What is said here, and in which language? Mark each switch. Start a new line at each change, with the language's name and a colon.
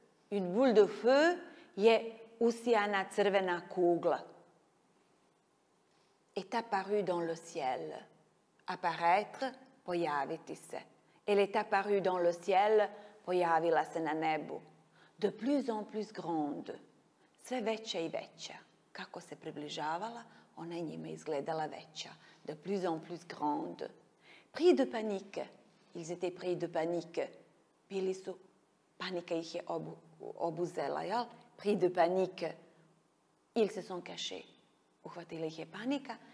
French: Une boule de feu
Bosnian: je usijana crvena kugla.
French: Est apparue dans le ciel. Apparaître,
Bosnian: pojaviti se.
French: Elle est apparue dans le ciel,
Bosnian: pojavila se na nebu.
French: De plus en plus grande.
Bosnian: Sve veća i veća. Kako se približavala, ona njima izgledala veća.
French: De plus en plus grande. Pris de panique. Ils étaient pris de panique.
Bosnian: Bili su, panika ih je obuzela, jel?
French: Pris de panique. Ils se sont cachés.
Bosnian: Uhvatila ih je panika.